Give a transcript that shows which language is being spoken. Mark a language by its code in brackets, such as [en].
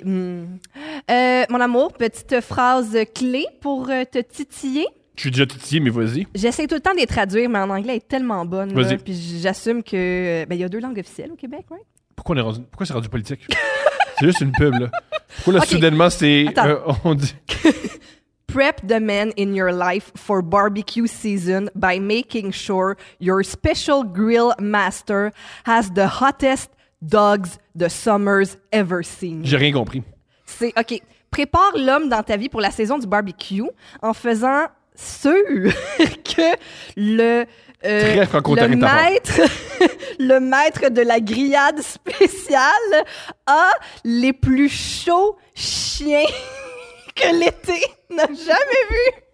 [fr] Mon amour, petite phrase clé pour te titiller. Je suis déjà titillé, mais vas-y. J'essaie tout le temps de les traduire, mais en anglais, elle est tellement bonne. Vas-y. Là, puis j'assume que ben, y a deux langues officielles au Québec, oui. Pourquoi c'est rendu politique? C'est juste une pub, là. Pourquoi là, okay. Soudainement, c'est... on dit... [en] Prep the men in your life for barbecue season by making sure your special grill master has the hottest dogs the summer's ever seen. [fr] J'ai rien compris. C'est... OK. Prépare l'homme dans ta vie pour la saison du barbecue en faisant sûr que le... le maître de la grillade spéciale a les plus chauds chiens que l'été n'a jamais vu.